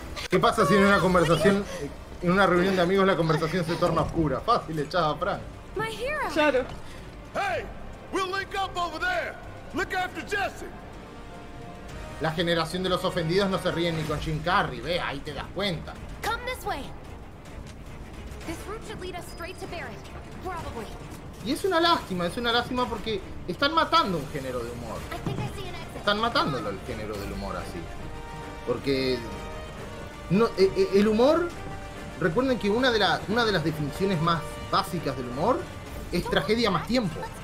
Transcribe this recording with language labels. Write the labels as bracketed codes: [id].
[es] ¿Qué pasa si en una conversación, en una reunión de amigos, la conversación se torna oscura? Fácil, echada a Frank. Claro. [en] ¡Hey! ¡We'll link up over there! ¡Look after Jesse! [es] La generación de los ofendidos no se ríe ni con Jim Carrey, ve, ahí te das cuenta. [en] Come this way. This route should lead us straight to Barrett, probably. [es] Y es una lástima porque están matando un género de humor. [en] I think I see an exit. [es] Están matándolo el género del humor así. Porque no, el humor, recuerden que una de las definiciones más básicas del humor es tragedia más tiempo.